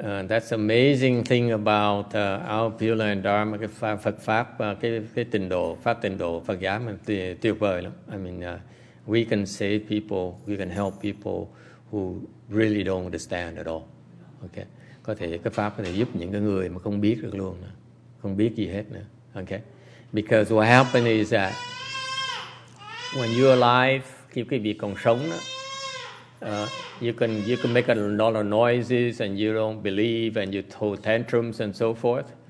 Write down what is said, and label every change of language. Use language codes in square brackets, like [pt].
[en] That's amazing thing about our Pure Land Dharma, [vi] cái Phật pháp, cái tình độ, pháp tình độ Phật giáo mình tuyệt vời lắm. [en] I mean, we can save people, we can help people who really don't understand at all. [vi] Okay, có thể cái pháp có thể giúp những cái người mà không biết được luôn, không biết gì hết nữa. [en] Okay, because what happens is that when you're alive, [vi] khi quý vị còn sống đó, [en] you can make a lot of noises and you don't believe and you throw tantrums and so forth.